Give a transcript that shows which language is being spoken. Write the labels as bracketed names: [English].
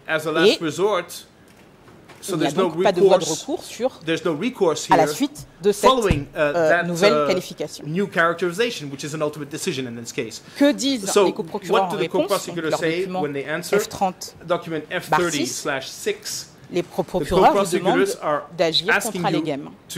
[French] il n'y a donc pas de voie de recours sur, à la suite de cette nouvelle qualification. [English] New characterization, which is an ultimate decision in this case. [French] Que disent les coprocureurs en réponse, donc leur document F30-6, les coprocureurs vous demandent d'agir contre l'EGEM.